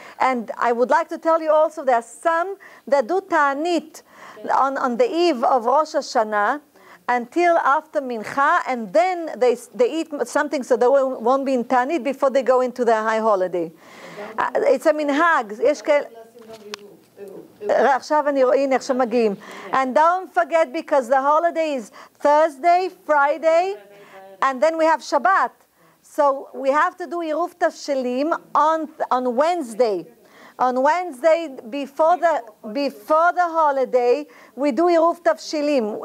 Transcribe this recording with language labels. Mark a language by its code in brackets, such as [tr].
[en] And I would like to tell you also, there are some that do ta'anit on the eve of Rosh Hashanah until after Mincha, and then they eat something so they won't be in ta'anit before they go into their high holiday. It's a minhag. [he] עכשיו אני רואה, הנה, עכשיו מגיעים. [en] And don't forget because the holiday is Thursday, Friday, and then we have Shabbat. So we have to do Iruv Tavshilim on Wednesday. On Wednesday, before the holiday, we do Iruv Tavshilim.